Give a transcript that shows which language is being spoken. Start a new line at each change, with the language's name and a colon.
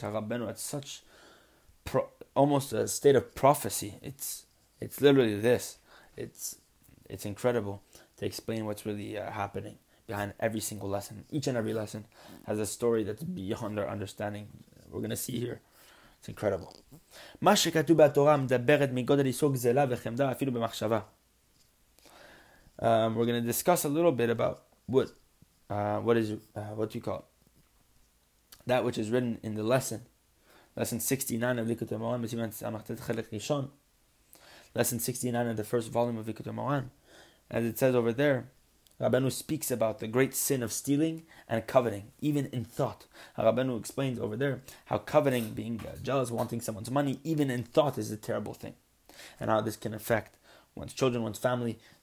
English: Rabbeinu at such almost a state of prophecy. It's literally this. It's incredible to explain what's really happening behind every single lesson. Each and every lesson has a story that's beyond our understanding. We're going to see here. It's incredible.
Hebrew: מה שכתוב בתורה מדברת מגודל איסור גזלה וחמדה אפילו במחשבה.
English: We're going to discuss a little bit about that which is written in the lesson. Lesson 69 of Likutei Moharan,
Hebrew: בסימן סמך ט' חלק ראשון.
English: Lesson 69 of the first volume of Likutei Moharan. As it says over there, Rabbeinu speaks about the great sin of stealing and coveting, even in thought. Rabbeinu explains over there how coveting, being jealous, wanting someone's money, even in thought, is a terrible thing. And how this can affect one's children, one's family.